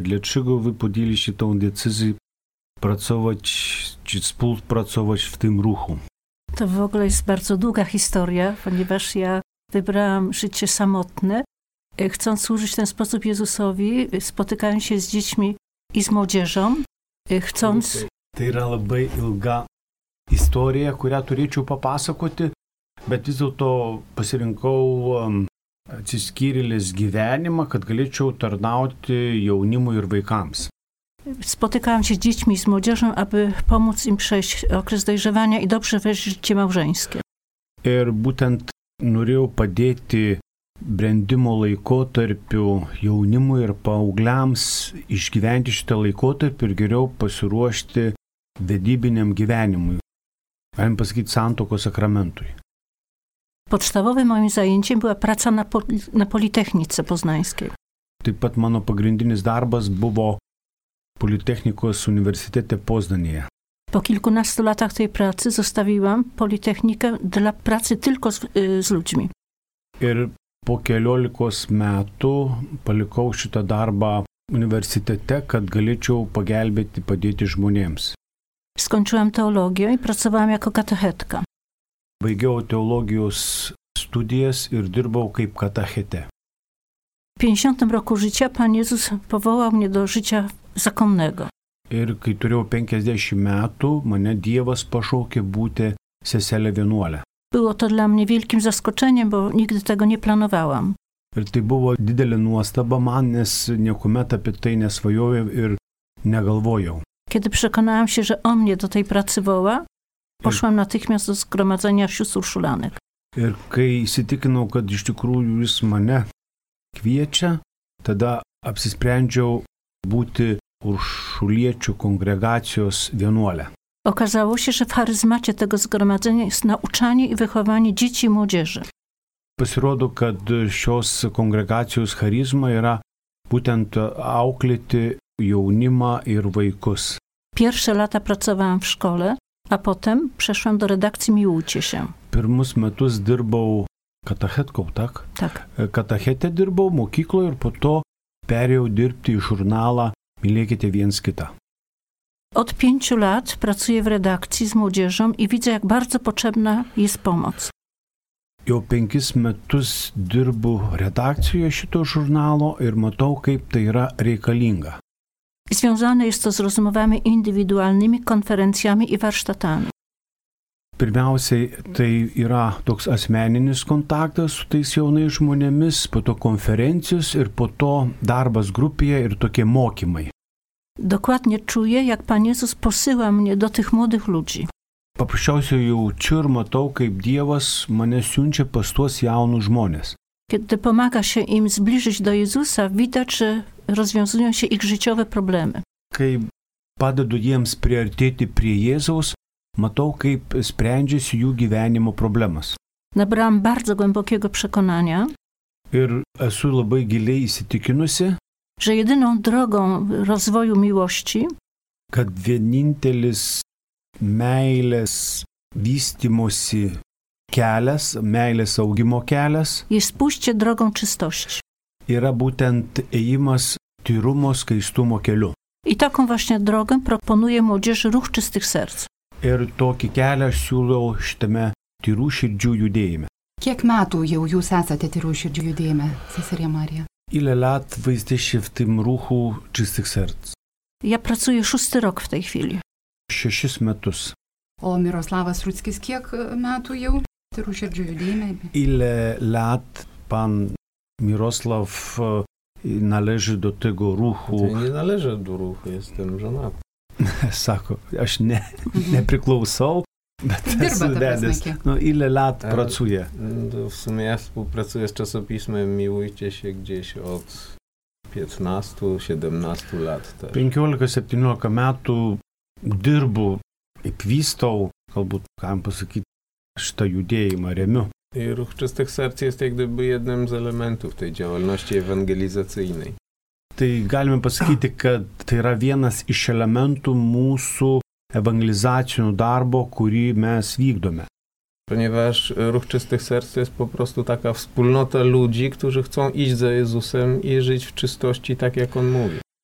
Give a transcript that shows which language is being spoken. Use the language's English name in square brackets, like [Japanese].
[Polish] Dlaczego vy podjęliście tą decyzję pracować czy współpracować w tym ruchu? To w ogóle jest bardzo długa historia, ponieważ ja wybrałam życie samotne. Chcąc służyć w ten sposób Jezusowi, spotykałem się z dziećmi i z młodzieżą, chcąc... To jest bardzo długa historia, którą [Lithuanian] turėčiau papasakoć, ale vis dėlto pasirinkau atsiskyrėlės gyvenimą, kad galėčiau tarnauti jaunimui ir vaikams. [Polish] Spotykałam się z dziećmi i z młodzieżą, aby pomóc im przejść okres dojrzewania i dobrze wejść w życie małżeńskie. [Lithuanian] Ir būtent norėjau padėti brendimo laikotarpiu jaunimui ir paaugliams išgyventi šitą laikotarpį ir geriau pasiruošti vedybiniam gyvenimui. Galim pasakyti santuokos sakramentui. [Polish] Podstawowym moim zajęciem była praca na Politechnice Poznańskiej. [Lithuanian] Taip pat mano pagrindinis darbas buvo Politechnikos Universitete Poznanėje. [Polish] Po kilkunastu latach tej pracy zostawiłam Politechnikę dla pracy tylko z ludźmi. [Lithuanian] Ir po keliolikos metų palikau šitą darbą universitete, kad galėčiau pagelbėti, padėti žmonėms. [Polish] Skončiłam teologiją i pracowałam jako katechetka. [Lithuanian] Baigiau teologijos studijas ir dirbau kaip katechete. [Polish] W 50 roku życia Pan Jezus powołał mnie do życia zakonnego. [Lithuanian] Ir kai turėjau 50 metų, mane Dievas pašaukė būti sesele vienuolė. [Polish] Było to dla mnie wielkim zaskoczeniem, bo nigdy tego nie planowałam. [Lithuanian] Ir tai buvo didelė nuostaba man, nes niekuomet apie tai nesvajojau ir negalvojau. [Polish] Kiedy przekonałam się, że o mnie do tej pracy woła, poszłam natychmiast do zgromadzenia sióstr urszulanek. [Lithuanian] Ir kai įsitikinau, kad iš tikrųjų jis mane kviečia, tada apsisprendžiau būti urszuliečių kongregacijos vienuolė. [Polish] Okazało się, że w charyzmacie tego zgromadzenia jest nauczanie i wychowanie dzieci i młodzieży. [Lithuanian] Pasirodo, kad šios kongregacijos charizma yra būtent auklėti jaunimą ir vaikus. [Polish] Pierwsze lata pracowałam w szkole, a potem przeszłam do redakcji Miłujcie się. [Lithuanian] Pirmus metus dirbau katechetką, [Polish] tak? Tak. [Lithuanian] Katechetę dirbau mokykloje ir po to perėjau dirbti į žurnalą Mylėkite viens kitą. [Polish] Od 5 lat pracuję w redakcji z młodzieżą i widzę, jak bardzo potrzebna jest pomoc. [Lithuanian] Jau 5 metus dirbu redakcijoje šito žurnalo ir matau, kaip tai yra reikalinga. [Polish] Związane jest to z rozmowami indywidualnymi, konferencjami i warsztatami. [Lithuanian] Pirmiausiai tai yra toks asmeninis kontaktas su tais jaunais žmonėmis, po to konferencijos ir po to darbas grupėje ir tokie mokymai. [Polish] Dokładnie czuję, jak Pan Jezus posyła mnie do tych młodych ludzi. [Lithuanian] Paprasčiausiai jaučiu ir matau, kaip Dievas mane siunčia pas tuos jaunus žmonės. [Polish] Kiedy pomaga się im zbliżyć do Jezusa, widać, że rozwiązują się ich życiowe problemy. [Lithuanian] Kai padedu jiems priartėti prie Jėzaus, matau, kaip sprendžiasi jų gyvenimo problemas. [Polish] Nabrałam bardzo głębokiego przekonania. [Lithuanian] Ir esu labai giliai įsitikinusi, [Polish] że jedyną drogą rozwoju miłości, [Lithuanian] kad vienintelis meilės vystymosi kelias, meilės augimo kelias, [Polish] jis spūščia drogą čistości. [Lithuanian] Yra būtent ėjimas tyrumo skaistumo keliu. [Polish] I taką właśnie drogą proponuje młodzieży ruch czystych serc. [Lithuanian] Ir tokį kelią siūlau šitame tyrų širdžių judėjime. Kiek metų jau jūs esate tyrų širdžių judėjime, seserė Marija? [Polish] Ile lat vaizdėsi v tym ruchu čistych serc? Ja pracuję 6 rok w tej chwili. [Lithuanian] 6 metus. O Miroslavas Rutskis, kiek metų jau tyrų širdžių judėjime? [Polish] Ile lat pan Miroslav należy do tego ruchu. Tai nie należy do ruchu, jestem żonaty. [Lithuanian] Sako, aš nepriklausau Dedes. [Polish] No ile lat pracuje? W sumie ja współpracuję z czasopismem Miłujcie się gdzieś od 15-17 lat. [Lithuanian] 15-17 metų dirbu įpvystau, galbūt, kam pasakyti, šitą judėjimą remiu. [Polish] I Ruch Czystych Serc jest jak gdyby jednym z elementów tej działalności ewangelizacyjnej. [Lithuanian] Tai galime pasakyti, kad tai yra vienas iš elementų mūsų ewangelizacinio darbo, kurį mes vykdome. [Polish] Ponieważ Ruch Czystych Serc jest po prostu taka wspólnota ludzi, którzy chcą iść za Jezusem i żyć w czystości tak, jak On mówi.